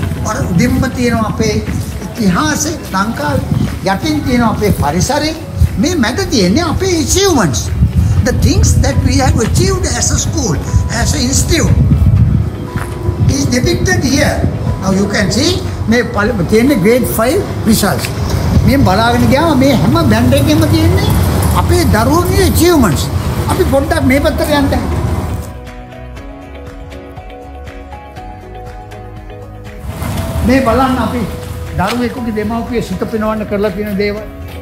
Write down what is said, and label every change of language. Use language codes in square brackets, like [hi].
[si] අර උඩින්ම තියෙනවා අපේ ඉතිහාසය ලංකාවේ යටින් තියෙනවා අපේ පරිසරය මේ මැද තියෙන්නේ අපේ achievements. [en] The things that we have achieved as a school, as an institute is depicted here. Now you can see [si] මේ තියෙන්නේ [en] grade 5 results. [si] මේ බලාගෙන ගියාම මේ හැම බැන්ඩ් එකෙම තියෙන්නේ අපේ දරුවන්ගේ achievements. අපි පොඩ්ඩක් මේ පැත්තට යන්න. මේ බලන්න අපි දරුවෙකුගේ දෙමව්පියෙ සිත පිනවන්න කරලා තියෙන දේවල්.